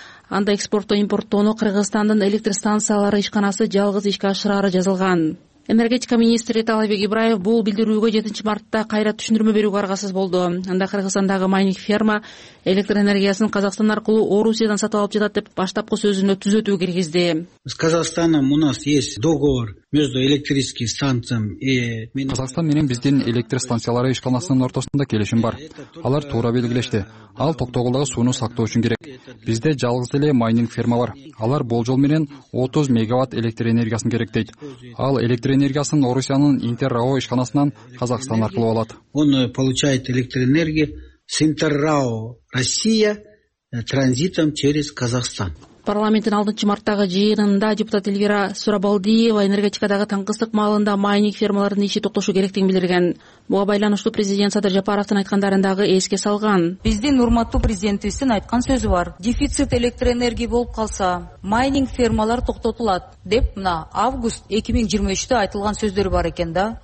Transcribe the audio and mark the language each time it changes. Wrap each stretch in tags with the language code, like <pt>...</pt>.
<ky>Анда экспортто импорттоону Кыргызстандын электр станциялары ишканасы жалгыз ишке ашырары жазылган. Энергетика министри Талайбек Ибраев бул билдирүүгө 7 мартта кайра түшүндүрмө берүүгө аргасыз болду. Анда Кыргызстандагы майнинг ферма электр энергиясын Казакстан аркылуу Орусиядан сатып алып жатат деп баштапкы сөзүнө түзөтүү киргизди.</ky> <ru>С Казахстаном у нас есть договор между электрическим станциям и</ru> <ky>Казахстан менен биздин электр станциялары ишканасынын ортосунда келишим бар. Алар туура белгилешти. Ал токтогулдагы сууну сактоо үчүн керек. Бизде жалгыз эле майнинг ферма бар. Алар болжол менен 30 мегаватт электр энергиясын керектейт. Ал электр энергиясын Орусиянын Интеррао ишканасынан Казахстан аркылуу алат.</ky> <ru>Он получает электроэнергию с Интеррао Россия транзитом через Казахстан.</ru> <ky>Парламенттин 6 марттагы жыйынында депутат Эльвира Сурабалдиева энергетикадагы таңкыстык маалында майнинг фермаларынын иши токтошу керектигин билдирген. Буга байланыштуу президент Садыр Жапаровдун айткандарын дагы эске салган. Биздин урматтуу президентибиздин айткан сөзү бар.</ky> <ru>Дефицит электр энергии</ru> <ky>болуп калса, майнинг фермалар токтотулат деп мына август 2023-тө айтылган сөздөр бар экен да.</ky>